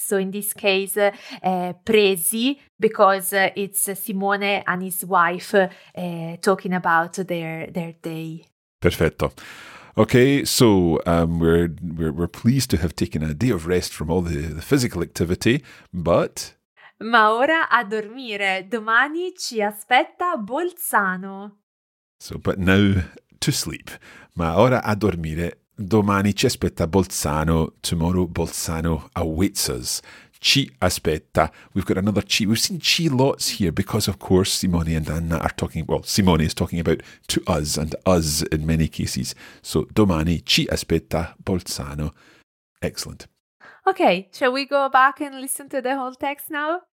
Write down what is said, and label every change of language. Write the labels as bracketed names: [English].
[English] So in this case, presi, because it's Simone and his wife talking about their day. [Italian] Perfetto. [English] Okay, so we're pleased to have taken a day of rest from all the physical activity, but... [Italian] Ma ora a dormire. Domani ci aspetta Bolzano. [English] So, but now... To sleep. [Italian] Ma ora a dormire. Domani ci aspetta Bolzano. [English] Tomorrow Bolzano awaits us. [Italian] Ci aspetta. [English] We've got another ci. We've seen ci lots here because, of course, Simone and Anna are talking, well, Simone is talking about to us and us in many cases. [Italian] So domani ci aspetta Bolzano. [English] Excellent. Okay, shall we go back and listen to the whole text now?